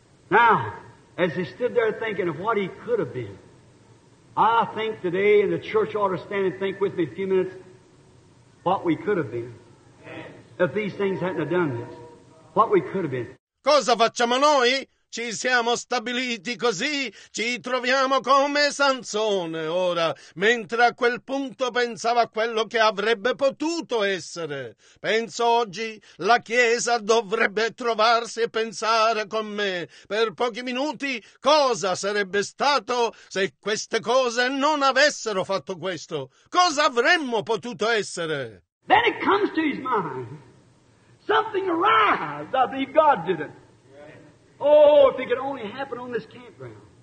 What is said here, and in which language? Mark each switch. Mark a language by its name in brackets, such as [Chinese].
[English] Now, as he stood there thinking of what he could have been, I think today, and the church ought to stand and think with me a few minutes, what we could have been if these things hadn't have done this. What we could have been. [Italian] Cosa facciamo noi? Ci siamo stabiliti così, ci troviamo come Sansone ora, mentre a quel punto pensava a quello che avrebbe potuto essere. Penso oggi la Chiesa dovrebbe trovarsi e pensare con me per pochi minuti cosa sarebbe stato se queste cose non avessero fatto questo. Cosa avremmo potuto essere? [English] Then it comes to his mind. Something arrives. I believe God did it. Oh, if it could only happen on this campground.